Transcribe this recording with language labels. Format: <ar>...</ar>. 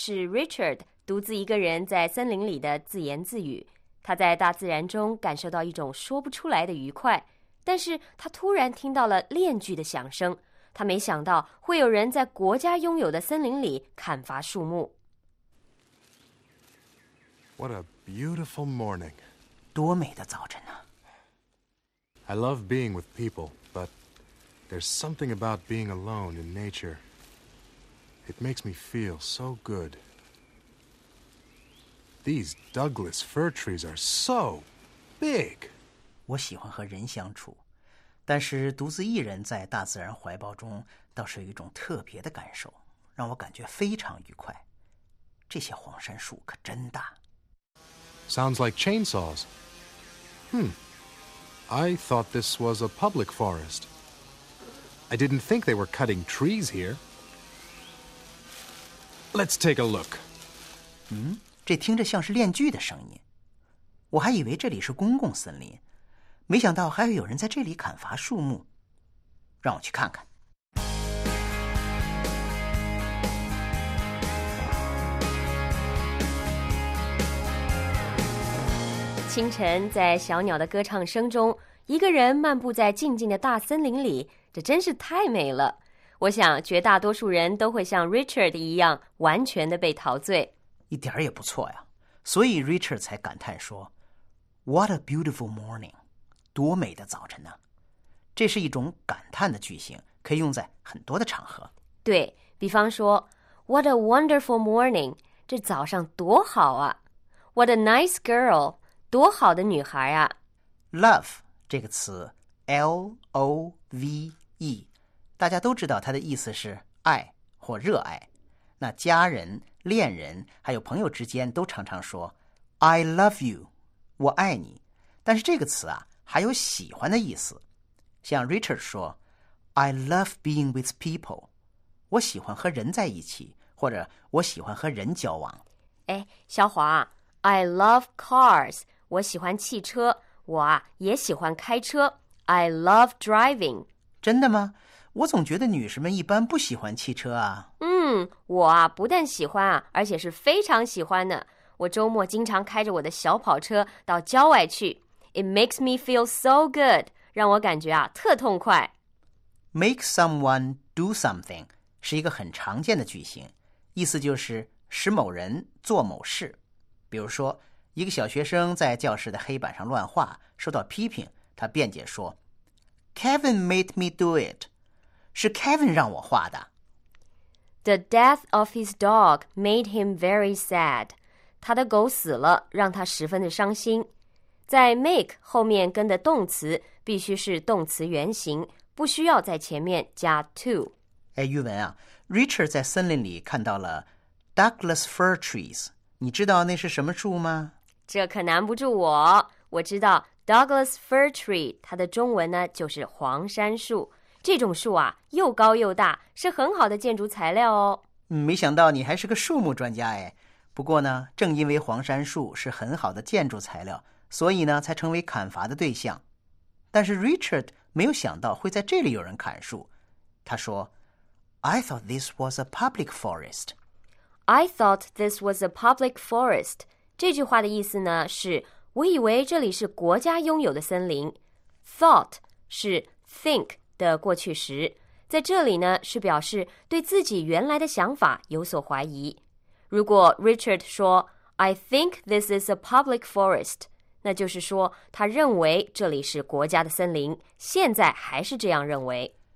<zh>Richard 独自一个人在森林里的自言自语，他在大自然中感受到一种说不出来的愉快，但是他突然听到了链锯的响声，他没想到会有人在国家拥有的森林里砍伐树木。</zh> <en>What a beautiful morning.</en> <zh>多美的早晨啊。</zh> <en>I love being with people, but there's something about being alone in nature. It makes me feel so good. These Douglas fir trees are so big.</en> <zh>我喜欢和人相处，但是独自一人在大自然怀抱中倒是有一种特别的感受，让我感觉非常愉快。这些黄杉树可真大。</zh> <en>Sounds like chainsaws. I thought this was a public forest. I didn't think they were cutting trees here. Let's take a look.</en> <zh>这听着像是链锯的声音，我还以为这里是公共森林，没想到还会有人在这里砍伐树木。让我去看看。清晨在小鸟的歌唱声中，一个人漫步在静静的大森林里，这真是太美了。我想绝大多数人都会像 Richard 一样完全的被陶醉。一点也不错呀，所以 Richard 才感叹说</zh> <en>What a beautiful morning，</en> <zh>多美的早晨呢、啊、这是一种感叹的句型，可以用在很多的场合。对，比方说</zh> <en>What a wonderful morning，</en> <zh>这早上多好啊。</zh> <en>What a nice girl，</en> <zh>多好的女孩啊。 Love 这个词 L-O-V-E， 大家都知道它的意思是爱或热爱，那家人、恋人还有朋友之间都常常说</zh> <en>I love you，</en> <zh>我爱你。但是这个词啊，还有喜欢的意思。像 Richard 说</zh> <en>I love being with people，</en> <zh>我喜欢和人在一起，或者我喜欢和人交往。哎，小华</zh> <en>I love cars，</en> <zh>我喜欢汽车，我啊也喜欢开车。</zh> <en>I love driving。</en> <zh>真的吗？我总觉得女士们一般不喜欢汽车啊。我啊不但喜欢啊，而且是非常喜欢的。我周末经常开着我的小跑车到郊外去。</zh> <en>It makes me feel so good，</en> <zh>让我感觉啊特痛快。 Make someone do something 是一个很常见的句型，意思就是使某人做某事。比如说，一个小学生在教室的黑板上乱画，受到批评，他辩解说 ：</zh> <en>“Kevin made me do it。”</en> <zh>是 Kevin 让我画的。</zh> <en>The death of his dog made him very sad.</en> <zh>他的狗死了，让他十分的伤心。在 make 后面跟的动词必须是动词原形，不需要在前面加 to。哎，玉文啊 ，Richard 在森林里看到了 Douglas fir trees， 你知道那是什么树吗？这可难不住我。我知道 Douglas fir tree， 它的中文呢就是黄杉树。这种树啊又高又大，是很好的建筑材料哦。没想到你还是个树木专家哎。不过呢，正因为黄杉树是很好的建筑材料，所以呢才成为砍伐的对象。但是 Richard 没有想到会在这里有人砍树。他说</zh> <en>I thought this was a public forest. I thought this was a public forest.</en> <zh>这句话的意思呢是我以为这里是国家拥有的森林。 Thought 是 think的过去时，在这里呢是表示对自己原来的想法有所怀疑。如果 Richard 说</zh> <en>I think this is a public forest，</en> <zh>那就是说他认为这里是国家的森林，现在还是这样认为。</zh>